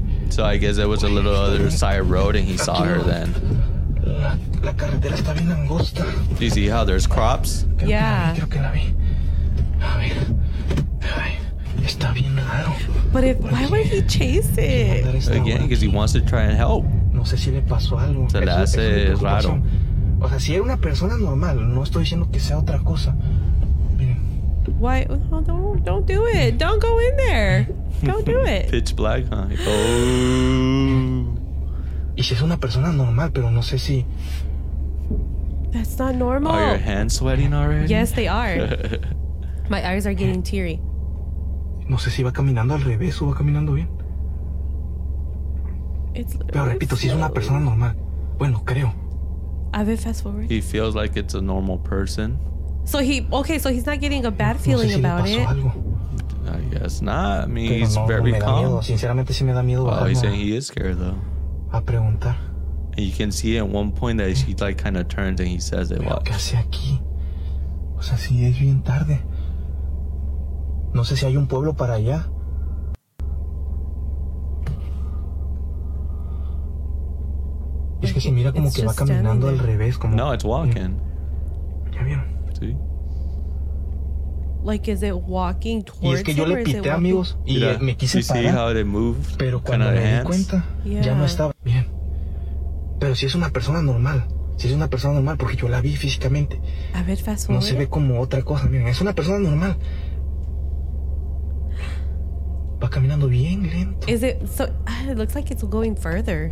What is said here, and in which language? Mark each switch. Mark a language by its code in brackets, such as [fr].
[en] so I guess there was a little other side road and he saw her then. [es] La carretera está bien angosta. [en] You see how there's crops? Yeah. [es] Creo que la vi. A ver. Ay, está bien raro. [en] But why would he chase it? Again, because he wants to try and help. [es] No sé si le pasó algo. Se le hace raro. O sea, si era una persona normal, no estoy diciendo que sea otra cosa. [en] Why? Oh, don't do it. Don't go in there. Don't do it. Pitch black, huh? Oh. [es] Y si es una persona normal, pero no sé si... [en] That's not normal. Are your hands sweating already? Yes, they are. My eyes are getting teary. [es] No sé si va caminando al revés o va caminando bien. Pero repito, si es una persona normal. Bueno, creo. A ver, [en] fast forward. He feels like it's a normal person. So he... Okay, so he's not getting a bad feeling about it. [es] Algo. [en] I guess not. I mean, pero he's very calm. [es] Miedo. Sinceramente, sí me da miedo. [en] Oh, he's saying he is scared, though. [es] A preguntar. [en] And you can see at one point that she like kind of turns and he says it. [es] Pero qué hace aquí? O sea, si es bien tarde. No sé si hay un pueblo para allá. Es que se mira como que va caminando al revés. Como, [en] no, it's walking. [es] ¿Ya vieron? Sí. [en] Like, is it walking towards him? [es] Y es que yo le pité, amigos, y yeah. me quise [en] you [es] parar. [en] See how they move, [es] pero cuando me [en] hands? [es] Di cuenta, yeah. ya no estaba bien. Pero si es una persona normal, si es una persona normal, porque yo la vi físicamente. A ver, fast forward. No se ve como otra cosa, miren, es una persona normal. Va caminando bien lento. [en] Is it, so, it looks like it's going further.